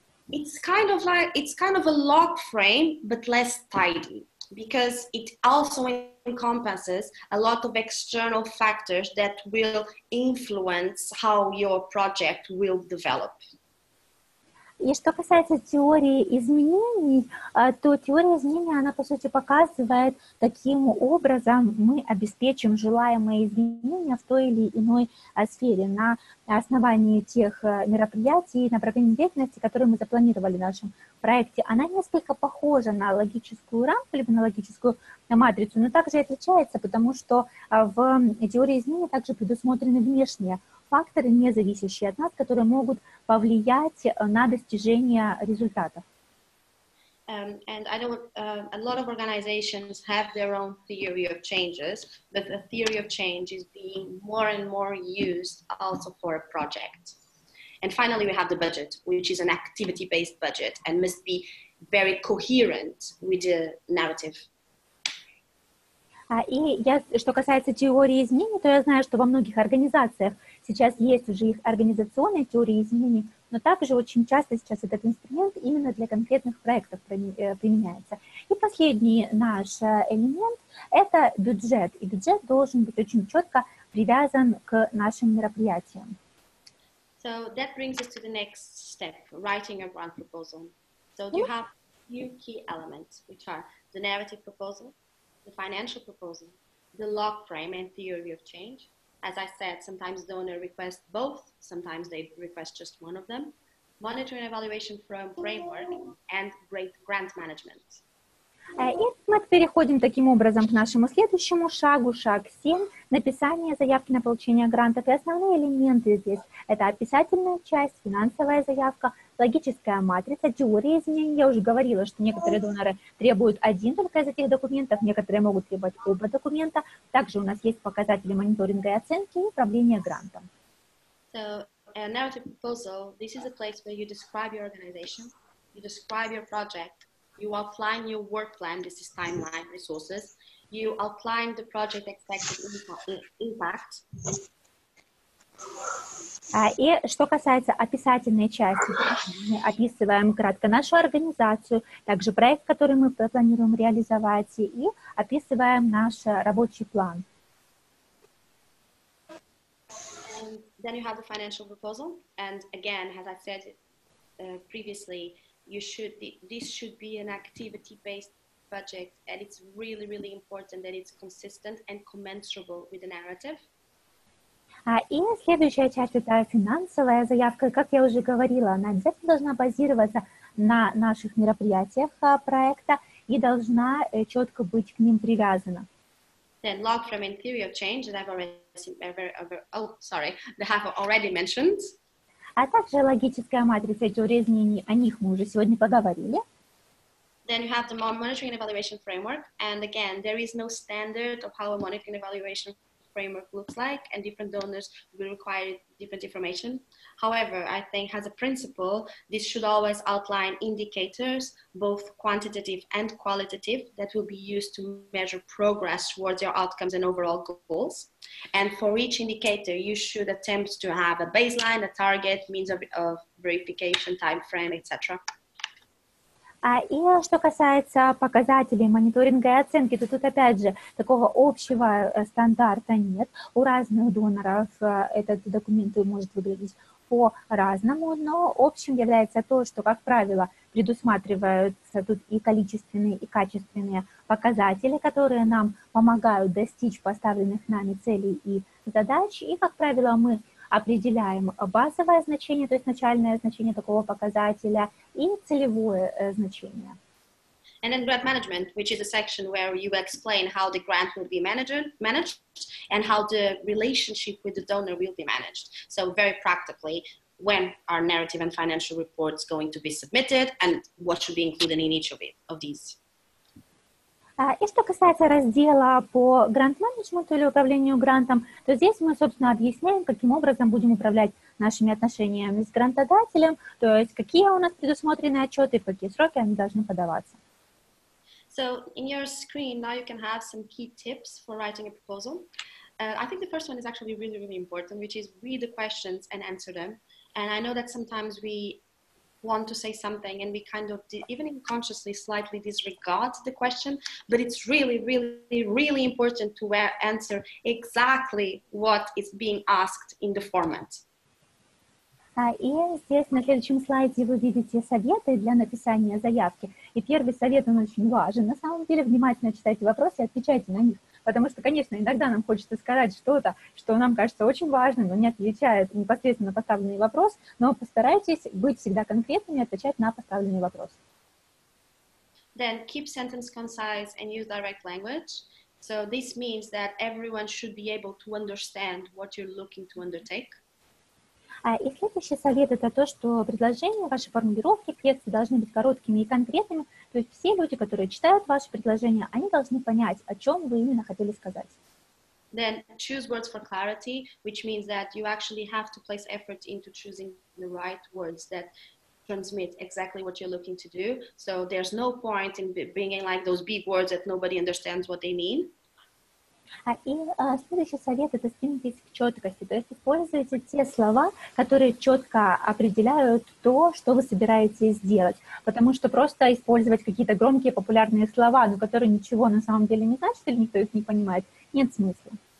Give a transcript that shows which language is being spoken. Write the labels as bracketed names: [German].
[English] It's kind of a log frame, but less tidy, because it also encompasses a lot of external factors that will influence how your project will develop. [Russian] И что касается теории изменений, то теория изменений, она, по сути, показывает, каким образом мы обеспечим желаемые изменения в той или иной сфере на основании тех мероприятий и направлений деятельности, которые мы запланировали в нашем проекте. Она несколько похожа на логическую рамку, либо на логическую матрицу, но также отличается, потому что в теории изменений также предусмотрены внешние факторы, не зависящие от нас, которые могут повлиять на достижение результатов. [English] A lot of organizations have their own theory of changes, but the theory of change is being more and more used also for a project. And finally, we have the budget, which is an activity-based budget and must be very coherent with the narrative. [Russian] И я, что касается теории изменений, то я знаю, что во многих организациях сейчас есть уже их организационные теории изменений, но также очень часто сейчас этот инструмент именно для конкретных проектов применяется. И последний наш элемент – это бюджет. И бюджет должен быть очень четко привязан к нашим мероприятиям. [English] So that brings us to the next step – writing a grant proposal. So you have few key elements, which are the narrative proposal, the financial proposal, the log frame and theory of change. As I said, sometimes donor requests both, sometimes they request just one of them. Monitoring and evaluation framework and great grant management. [Russian] И мы переходим таким образом к нашему следующему шагу, шаг 7, написание заявки на получение грантов. И основные элементы здесь – это описательная часть, финансовая заявка, логическая матрица, теория изменений. Я уже говорила, что некоторые доноры требуют один только из этих документов, некоторые могут требовать оба документа. Также у нас есть показатели мониторинга и оценки и управления грантом. [English] So, a narrative proposal, this is a place where you describe your organization, you describe your project, you outline your work plan, this is timeline, resources, you outline the project expected impact. [Russian] И что касается описательной части, мы описываем кратко нашу организацию, также проект, который мы планируем реализовать, и описываем наш рабочий план. [English] And then you have the financial proposal, and again, as I said previously, this should be an activity-based project, and it's really, really important that it's consistent and commensurable with the narrative. [Russian] И следующая часть – это финансовая заявка. Как я уже говорила, она обязательно должна базироваться на наших мероприятиях проекта и должна четко быть к ним привязана. [English] Then log from theory of change that I've already, mentioned. [Russian] А также логическая матрица, теория изменений, о них мы уже сегодня поговорили. [English] Then you have the monitoring and evaluation framework. And again, there is no standard of how a monitoring and evaluation framework looks like, and different donors will require different information. However, I think as a principle, this should always outline indicators, both quantitative and qualitative, that will be used to measure progress towards your outcomes and overall goals. And for each indicator, you should attempt to have a baseline, a target, means of verification, time frame, etc. [Russian] И что касается показателей мониторинга и оценки, то тут опять же такого общего стандарта нет. У разных доноров этот документ может выглядеть по-разному, но общим является то, что, как правило, предусматриваются тут и количественные, и качественные показатели, которые нам помогают достичь поставленных нами целей и задач. И, как правило, мы определяем базовое значение, то есть начальное значение такого показателя, и целевое значение. [English] And then grant management, which is a section where you explain how the grant will be managed and how the relationship with the donor will be managed. So very practically, when are narrative and financial reports going to be submitted and what should be included in each of these? [Russian] И что касается раздела по грант-менеджменту или управлению грантом, то здесь мы, собственно, объясняем, каким образом будем управлять нашими отношениями с грантодателем, то есть какие у нас предусмотрены отчеты, по какие сроки они должны подаваться. [English] So in your screen now you can have some key tips for writing a proposal. I think the first one is actually really, really important, which is read the questions and answer them. And I know that sometimes we want to say something and we kind of even unconsciously slightly disregard the question, but it's really, really, really important to answer exactly what is being asked in the format. [Russian] И здесь на следующем слайде вы видите советы для написания заявки. И первый совет, он очень важен. На самом деле, внимательно читайте вопросы и отвечайте на них. Потому что, конечно, иногда нам хочется сказать что-то, что нам кажется очень важным, но не отвечает непосредственно на поставленный вопрос. Но постарайтесь быть всегда конкретными и отвечать на поставленный вопрос. [English] Then keep sentence concise and use direct language. So this means that everyone should be able to understand what you're looking to undertake. [Russian] И следующий совет – это то, что предложения, ваши формулировки, тексты должны быть короткими и конкретными. То есть все люди, которые читают ваши предложения, они должны понять, о чем вы именно хотели сказать. [English] Then choose words for clarity, which means that you actually have to place effort into choosing the right words that transmit exactly what you're looking to do. So there's no point in bringing like those big words that nobody understands what they mean. [Russian] Следующий совет – это стремитесь к четкости, то есть используйте те слова, которые четко определяют то, что вы собираетесь сделать, потому что просто использовать какие-то громкие популярные слова, но которые ничего на самом деле не значат или никто их не понимает, нет смысла.